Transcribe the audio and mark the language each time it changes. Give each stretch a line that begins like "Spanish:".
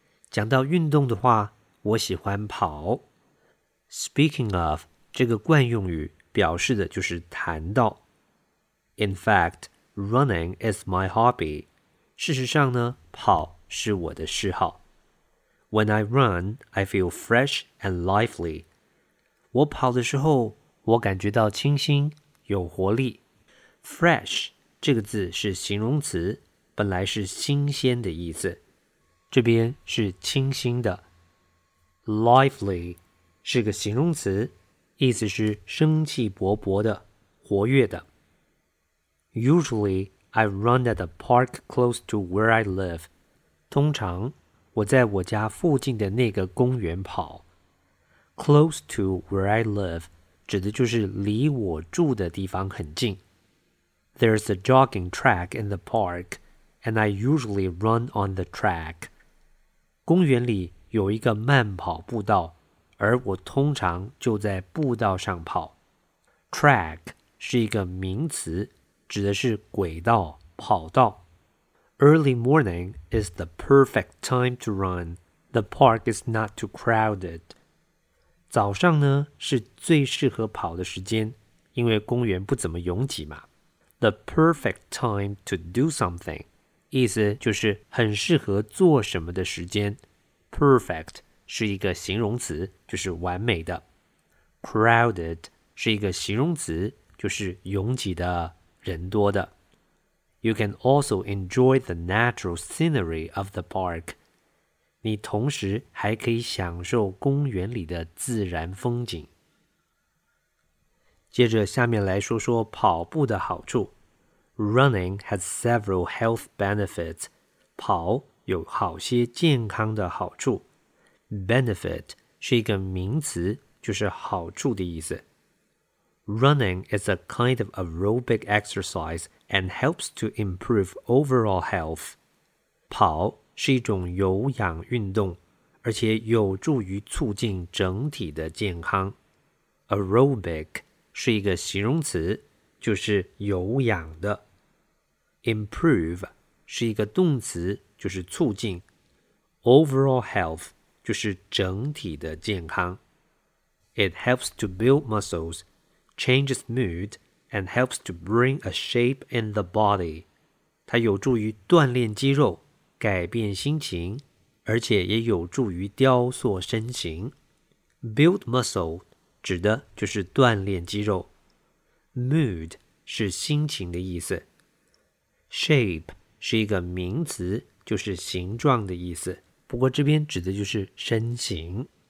Chinese: 讲到运动的话，我喜欢跑。 Speaking of, 这个惯用语表示的就是谈到。
English: In fact, running is my hobby.
Chinese: 事实上呢，跑是我的嗜好。
English: When I run, I feel fresh and lively.
Chinese: 我跑的时候，我感觉到清新，有活力。 Fresh 这个字是形容词，本来是新鲜的意思。这边是清新的。Lively 是个形容词，意思是生气勃勃的，活跃的。
English: Usually, I run at a park close to where I live.
Chinese: 通常我在我家附近的那个公园跑。
English: Close to where I live,
Chinese: 指的就是离我住的地方很近。
English: There's a jogging track in the park, and I usually run on the track.
Chinese: 公园里有一个慢跑步道，而我通常就在步道上跑。 Track 是一个名词，指的是轨道、跑道。
English: Early morning is the perfect time to run. The park is not too crowded.
Chinese: 早上呢是最适合跑的时间，因为公园不怎么拥挤嘛。
English: The perfect time to do something,
Chinese: 意思就是很适合做什么的时间。 Perfect 是一个形容词，就是完美的。 Crowded 是一个形容词，就是拥挤的，人多的。
English: You can also enjoy the natural scenery of the park.
Chinese: 你同时还可以享受公园里的自然风景。接着下面来说说跑步的好处。
English: Running has several health benefits.
Chinese: 跑有好些健康的好处。 Benefit 是一个名词，就是好处的意思。
English: Running is a kind of aerobic exercise and helps to improve overall health.
Chinese: 跑是一种有氧运动，而且有助于促进整体的健康。 Aerobic 是一个形容词，就是有氧的。 Improve 是一个动词，就是促进。 Overall health 就是整体的健康。
English: It helps to build muscles, changes mood, and helps to bring a shape in the body.
Chinese: 它有助于锻炼肌肉，改变心情，而且也有助于雕塑身形。 Build muscle 指的就是锻炼肌肉。 Mood 是心情的意思。 Shape 是一个名词，就是形状的意思，不过这边指的就是身形。